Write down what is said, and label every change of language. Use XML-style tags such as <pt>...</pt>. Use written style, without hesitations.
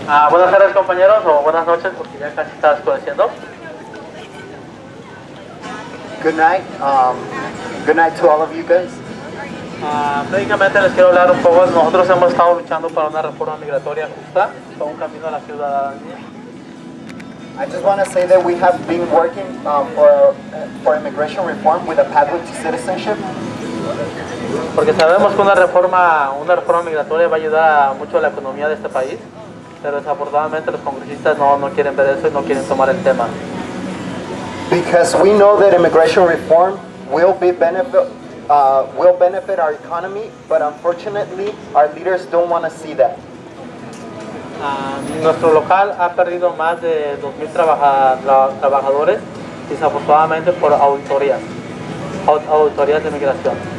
<es>Buenas tardes compañeros, o buenas noches, porque ya casi está oscureciendo.</es> <en>Good night to all of you guys.</en> <es>Básicamente les quiero hablar un poco, nosotros hemos estado luchando para una reforma migratoria justa, para un camino a la ciudadanía.</es> <en>I just want to say that we have been working for immigration reform with a pathway to citizenship.</en> <es>Porque sabemos que una reforma migratoria va a ayudar mucho a la economía de este país. Pero desafortunadamente los congresistas no quieren ver eso y no quieren tomar el tema.</es> <en>Because we know that immigration reform will benefit our economy, but unfortunately our leaders don't want to see that.</en> <es>Nuestro local ha perdido más de 2,000 trabajadores, desafortunadamente por auditorías de migración.</es>